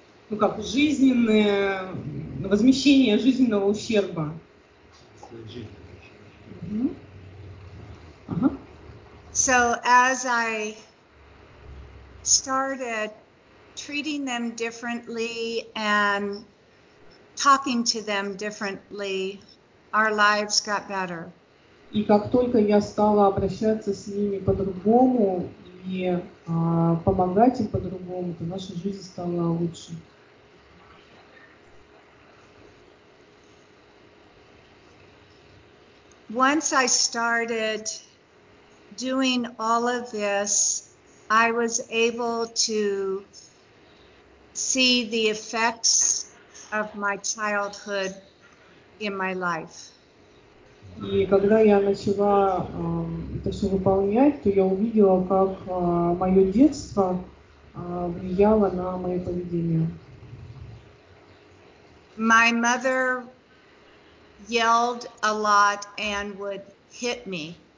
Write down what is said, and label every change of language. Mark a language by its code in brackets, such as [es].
[ru] Ну как, жизненное возмещение жизненного ущерба. [en] So as I started treating them differently and talking to them differently, our lives got better. [ru] И как только я стала обращаться с ними по-другому и помогать им по-другому, то наша жизнь стала лучше. [en] Once I started doing all of this, I was able to see the effects of my childhood in my life. [ru] И когда я начала это все выполнять, то я увидела, как мое детство влияло на мое поведение. [en] My mother yelled a lot and would hit me.